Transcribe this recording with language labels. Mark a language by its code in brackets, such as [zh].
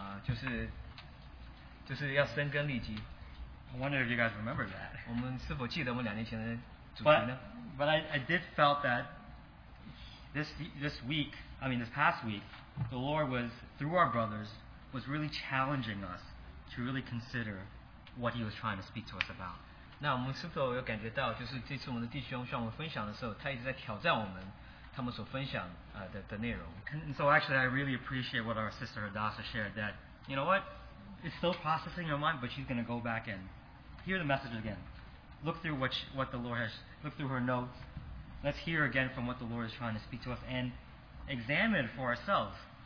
[zh] 这次在多伦多分享，就是分享到我们两年前在纽约的这个我们周末的一个聚会，他所分享我们那次的主题是就是要深耕利基。 [en] I wonder if you guys remember that. [zh] 我们是否记得我们两年前的主题呢？ [en] But I did felt that this past week, the Lord was through our brothers was really challenging us to really consider what He was trying to speak to us about. [zh] 那我们是否有感觉到，就是这次我们的弟兄向我们分享的时候，他一直在挑战我们他们所分享的内容。 [en] And so actually, I really appreciate what our sister Hadassah shared. That you know what, it's still processing your mind, but she's going to go back and hear the message again. Look through what the Lord has. Look through her notes. Let's hear again from what the Lord is trying to speak to us and examine it for ourselves.